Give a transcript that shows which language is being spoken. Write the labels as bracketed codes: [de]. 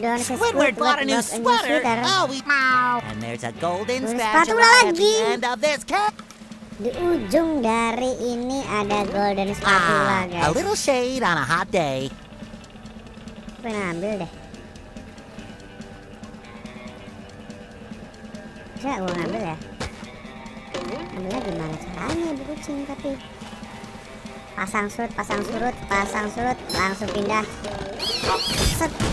[en] Squidward bought a new sweater. And there's a golden spatula at the end of this cake. [id] Di ujung dari ini ada golden spatula, guys. [en] A little shade on a hot day. [id] Gue ambil deh. Bisa gue ambil ya? Ambilnya gimana caranya, bu kucing, tapi... Pasang surut, pasang surut, pasang surut, langsung pindah. Set!